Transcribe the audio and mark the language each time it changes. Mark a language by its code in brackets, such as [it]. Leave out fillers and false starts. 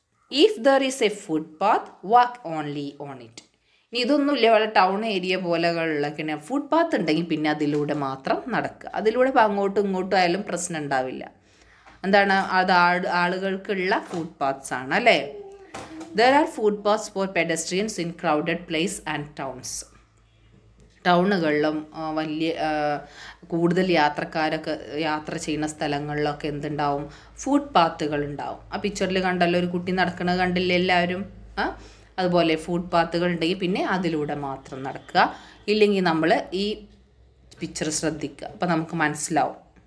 [en] If there is a footpath walk only on it. [ml] ഇനി ഇതൊന്നുമില്ല, വളരെ town area പോലെയുള്ളതൊക്കെ ഫുട് path ഉണ്ടെങ്കിൽ പിന്നെ അതിലൂടെ മാത്രം നടക്കുക. അതിലൂടെ അങ്ങോട്ടും ഇങ്ങോട്ടും ആയാലും പ്രശ്നം ഉണ്ടാവില്ല. എന്താണ് അത്, ആളുകൾക്കുള്ള ഫുട് പാത്ത്സ് ആണ് അല്ലേ. [en] There are footpaths for pedestrians in crowded places and towns. [ml] ടൗണുകളിലും വലിയ കൂടുതൽ യാത്രക്കാരൊക്കെ യാത്ര ചെയ്യുന്ന സ്ഥലങ്ങളിലൊക്കെ എന്തുണ്ടാവും, ഫുട് പാത്തുകൾ ഉണ്ടാവും. ആ പിക്ചറിൽ കണ്ടല്ലോ ഒരു കുട്ടി നടക്കുന്നത് കണ്ടില്ല എല്ലാവരും. ആ അതുപോലെ ഫുട് പാത്തുകൾ ഉണ്ടെങ്കിൽ പിന്നെ അതിലൂടെ മാത്രം നടക്കുക, ഇല്ലെങ്കിൽ നമ്മൾ ഈ പിക്ചർ ശ്രദ്ധിക്കുക, അപ്പോൾ നമുക്ക് മനസ്സിലാവും.